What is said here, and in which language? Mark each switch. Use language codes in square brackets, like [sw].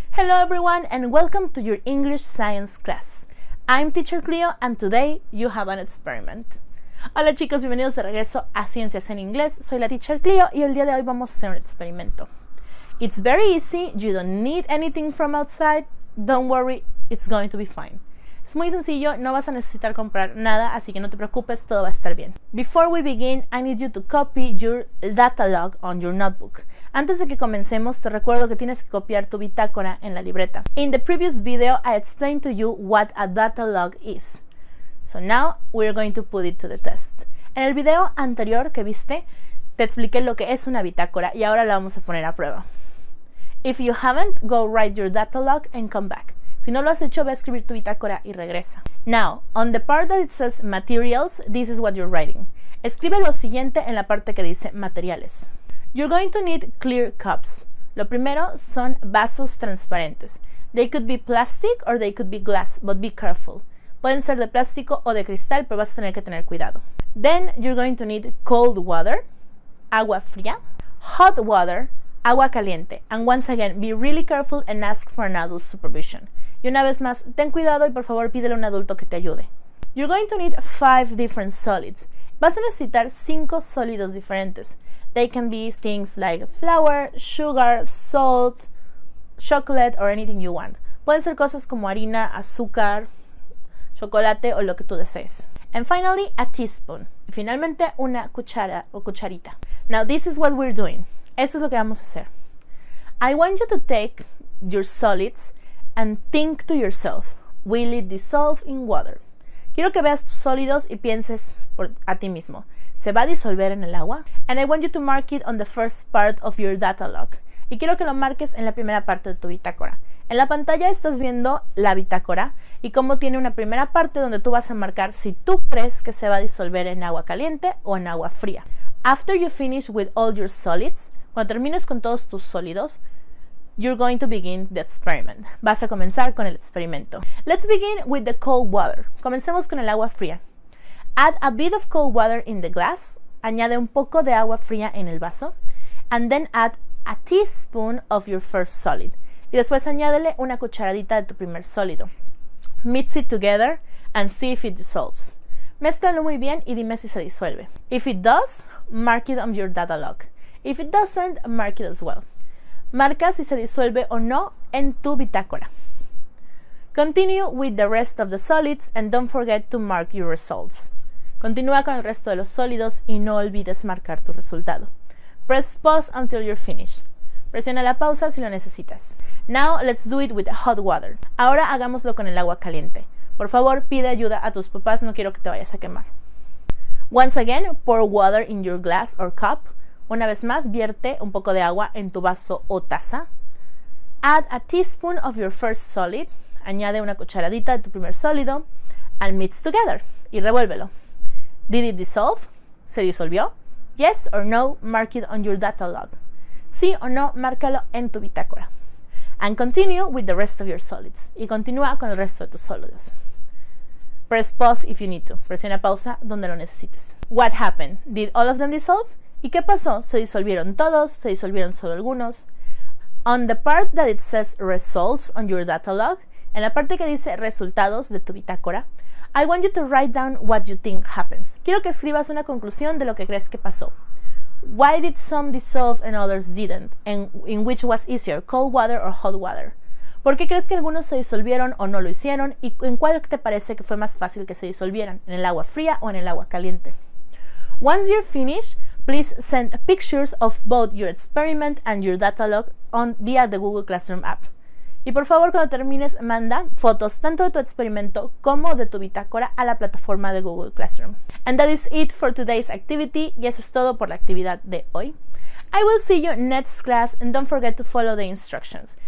[en] Hello everyone and welcome to your English science class. I'm teacher Cleo and today you have an experiment. [es] Hola chicos, bienvenidos de regreso a Ciencias en Inglés. Soy la teacher Cleo y el día de hoy vamos a hacer un experimento. [en] It's very easy, you don't need anything from outside. Don't worry, it's going to be fine. [es] Es muy sencillo, no vas a necesitar comprar nada, así que no te preocupes, todo va a estar bien. [en] Before we begin, I need you to copy your data log on your notebook. [es] Antes de que comencemos, te recuerdo que tienes que copiar tu bitácora en la libreta. [en] In the previous video, I explained to you what a data log is. So now, we're going to put it to the test. [es] En el video anterior que viste, te expliqué lo que es una bitácora y ahora la vamos a poner a prueba. [en] If you haven't, go write your data log and come back. [es] Si no lo has hecho, ve a escribir tu bitácora y regresa. [en] Now, on the part that it says materials, this is what you're writing. [es] Escribe lo siguiente en la parte que dice materiales. [en] You're going to need clear cups. [es] Lo primero son vasos transparentes. [en] They could be plastic or they could be glass, but be careful. [es] Pueden ser de plástico o de cristal, pero vas a tener que tener cuidado. [en] Then you're going to need cold water, [es] agua fría. [en] Hot water, [es] agua caliente. [en] And once again, be really careful and ask for an adult's supervision. [es] Y una vez más, ten cuidado y por favor pídele a un adulto que te ayude. [en] You're going to need 5 different solids. [es] Vas a necesitar 5 sólidos diferentes. [en] They can be things like flour, sugar, salt, chocolate, or anything you want. [es] Pueden ser cosas como harina, azúcar, chocolate, o lo que tú desees. [en] And finally, a teaspoon. [es] Y finalmente, una cuchara o cucharita. [en] Now, this is what we're doing. [es] Esto es lo que vamos a hacer. [en] I want you to take your solids and think to yourself, will it dissolve in water? [es] Quiero que veas tus sólidos y pienses por a ti mismo. ¿Se va a disolver en el agua? [en] And I want you to mark it on the first part of your data log. [es] Y quiero que lo marques en la primera parte de tu bitácora. En la pantalla estás viendo la bitácora y cómo tiene una primera parte donde tú vas a marcar si tú crees que se va a disolver en agua caliente o en agua fría. [en] After you finish with all your solids, [es] cuando termines con todos tus sólidos, [en] you're going to begin the experiment. [es] Vas a comenzar con el experimento. [en] Let's begin with the cold water. [es] Comencemos con el agua fría. [en] Add a bit of cold water in the glass. [es] Añade un poco de agua fría en el vaso. [en] And then add a teaspoon of your first solid. [es] Y después añádele una cucharadita de tu primer sólido. [en] Mix it together and see if it dissolves. [es] Mézclalo muy bien y dime si se disuelve. [en] If it does, mark it on your data log. If it doesn't, mark it as well. [es] Marca si se disuelve o no en tu bitácora. [en] Continue with the rest of the solids and don't forget to mark your results. [es] Continúa con el resto de los sólidos y no olvides marcar tu resultado. [en] Press pause until you're finished. [es] Presiona la pausa si lo necesitas. [en] Now let's do it with hot water. [es] Ahora hagámoslo con el agua caliente. Por favor, pide ayuda a tus papás, no quiero que te vayas a quemar. [en] Once again, pour water in your glass or cup. [es] Una vez más, vierte un poco de agua en tu vaso o taza. [en] Add a teaspoon of your first solid. [es] Añade una cucharadita de tu primer sólido. [en] And mix together. [es] Y revuélvelo. [en] Did it dissolve? [es] ¿Se disolvió? [en] Yes or no, mark it on your data log. [es] Sí o no, márcalo en tu bitácora. [en] And continue with the rest of your solids. [es] Y continúa con el resto de tus sólidos. [en] Press pause if you need to. [es] Presiona pausa donde lo necesites. [en] What happened? Did all of them dissolve? [es] ¿Y qué pasó? ¿Se disolvieron todos? ¿Se disolvieron solo algunos? [en] On the part that it says results on your data log, [es] en la parte que dice resultados de tu bitácora, [en] I want you to write down what you think happens. [es] Quiero que escribas una conclusión de lo que crees que pasó. [en] Why did some dissolve and others didn't? And in which was easier, cold water or hot water? [es] ¿Por qué crees que algunos se disolvieron o no lo hicieron? ¿Y en cuál te parece que fue más fácil que se disolvieran? ¿En el agua fría o en el agua caliente? [en] Once you're finished, please send pictures of both your experiment and your data log via the Google Classroom app. [es] Y por favor, cuando termines, manda fotos tanto de tu experimento como de tu bitácora a la plataforma de Google Classroom. [en] And that is it for today's activity. [es] Y eso es todo por la actividad de hoy. [en] I will see you next class and don't forget to follow the instructions.